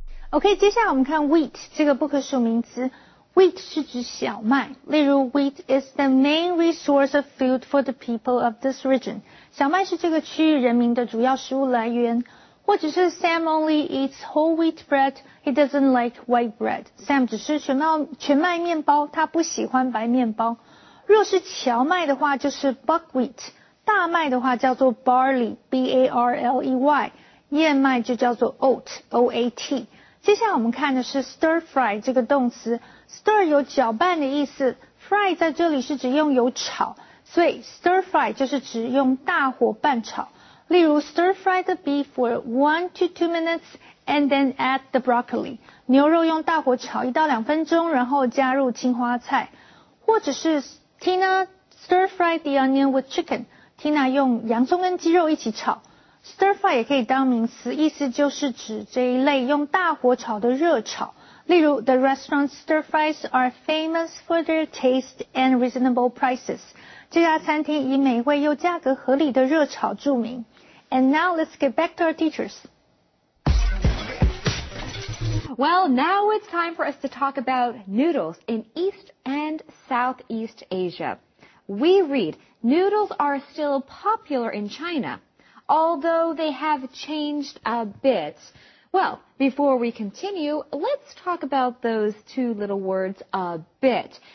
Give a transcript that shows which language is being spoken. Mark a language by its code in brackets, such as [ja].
[zh] OK, 接下来我们看 wheat 这个不可数名词。 [en] Wheat [zh] 是指小麦，例如 [en] wheat is the main resource of food for the people of this region. [zh] 小麦是这个区域人民的主要食物来源。或者是 [en] Sam only eats whole wheat bread, he doesn't like white bread. [zh] Sam 只是全麦面包，他不喜欢白面包。若是荞麦的话就是 buckwheat, 大麦的话叫做 barley, B-A-R-L-E-Y, 燕麦就叫做 oat, O-A-T。接下来我们看的是 stir fry 这个动词。stir 有搅拌的意思， fry 在这里是指用油炒，所以 stir fry 就是指用大火拌炒。例如 [en] stir fry the beef for 1 to 2 minutes and then add the broccoli. [zh] 牛肉用大火炒一到两分钟，然后加入青花菜。或者是 [en] Tina stir fry the onion with chicken. [zh] Tina 用洋葱跟鸡肉一起炒。stir fry 也可以当名词，意思就是指这一类用大火炒的热炒。例如 [en] the restaurant stir fries are famous for their taste and reasonable prices. [zh] 这家餐厅以美味又价格合理的热炒著名。 [en] And now let's get back to our teachers. Well, now it's time for us to talk about noodles in East and Southeast Asia. We read, noodles are still popular in China, although they have changed a bit. Well, before we continue, let's talk about those two little words a bit.